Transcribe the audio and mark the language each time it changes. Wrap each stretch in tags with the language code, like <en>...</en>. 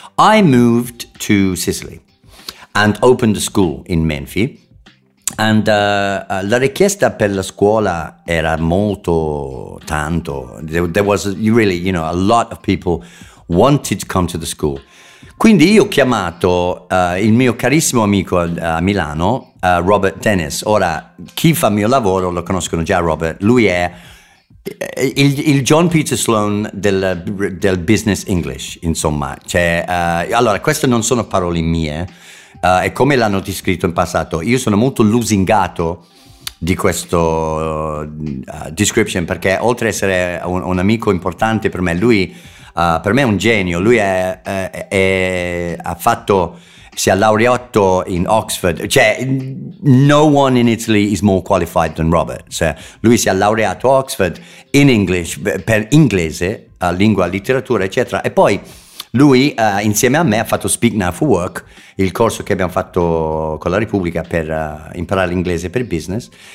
<en>I moved to Sicily and opened a school in Menfi, and</en> <it>la richiesta per la scuola era molto tanto.</it> <en>There was really, you know, a lot of people wanted to come to the school.</en> <it>Quindi io ho chiamato il mio carissimo amico a Milano, Robert Dennis. Ora, chi fa il mio lavoro lo conoscono già, Robert. Lui è il John Peter Sloan del business English, insomma. Cioè, allora, queste non sono parole mie, è come l'hanno descritto in passato. Io sono molto lusingato di questo description, perché oltre ad essere un amico importante per me, lui... per me è un genio. Lui si è laureato in Oxford.</it> <en>Cioè, no one in Italy is more qualified than Robert.</en> <it>Cioè, lui si è laureato a Oxford in English, per inglese, lingua, letteratura, eccetera. E poi lui, insieme a me, ha fatto Speak Now for Work, il corso che abbiamo fatto con la Repubblica per imparare l'inglese per business.</it>